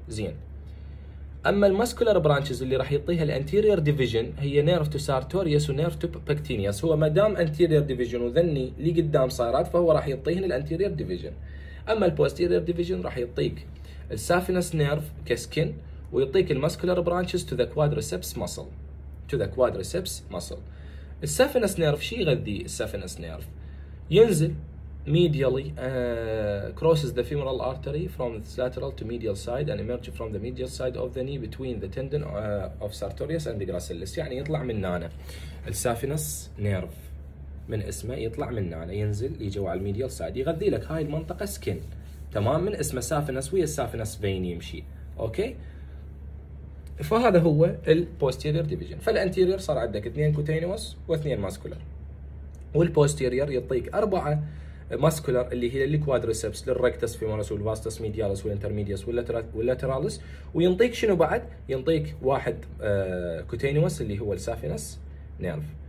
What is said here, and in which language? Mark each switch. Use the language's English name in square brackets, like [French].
[Arabic] زين، اما الماسكولار برانشز اللي راح يعطيها الانتيرير ديفيجن هي نيرف تو سارتوريوس ونيرف تو باكتينياس. هو ما دام انتيرير ديفيجن وذني لي قدام صارات فهو راح يعطيهن الانتيرير ديفيجن. اما البوستيرير ديفيجن راح يعطيك السافينس نيرف كسكن ويعطيك الماسكولار برانشز تو ذا كوادريسبس مسل، تو ذا كوادريسبس مسل. السافينس نيرف شي يغذي السافينس نيرف ينزل [English] medially crosses the femoral artery from its lateral to medial side and emerges from the medial side of the knee between the tendon of sartorius and the gracilis. [Arabic] يعني يطلع من نانا السافينس نيرف، من اسمه يطلع من نانا ينزل يجوا على الميديال سايد يغذي لك هاي المنطقه سكن، تمام؟ من اسمه سافينس ويا السافينس فين يمشي، اوكي؟ فهذا هو البوستيرير ديفيجن. فالانتيرير صار عندك اثنين كوتينوس واثنين ماسكولر، والبوستيرير يعطيك اربعه ماسكولار اللي هي الكوادريسبس للركتس فيمورس والفاستس ميديالس والانترميديوس واللاترالس، وينطيك شنو بعد؟ ينطيك واحد كوتينوس اللي هو السافينس نيرف.